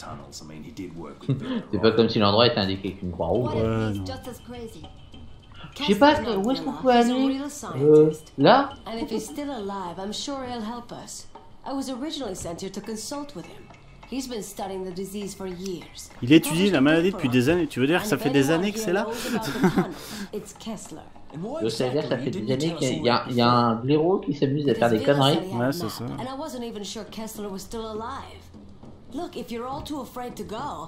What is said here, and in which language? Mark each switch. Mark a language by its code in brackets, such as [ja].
[fr] C'est pas comme si l'endroit était indiqué avec une croix rouge. Ouais, je sais pas, où est-ce qu'on peut aller là? [en] And if he's still alive, I'm sure he'll help us. I was originally sent here to consult with him. He's been studying the disease for years. [fr] Il étudie la maladie depuis des années. Tu veux dire que ça fait des années que c'est là? [en] It's Kessler. [fr] Je veux dire, ça fait des années qu'il y a un blaireau qui s'amuse à faire des conneries. Ouais, c'est ça. [en] And I wasn't even sure Kessler was still alive. Look, if you're all too afraid to go.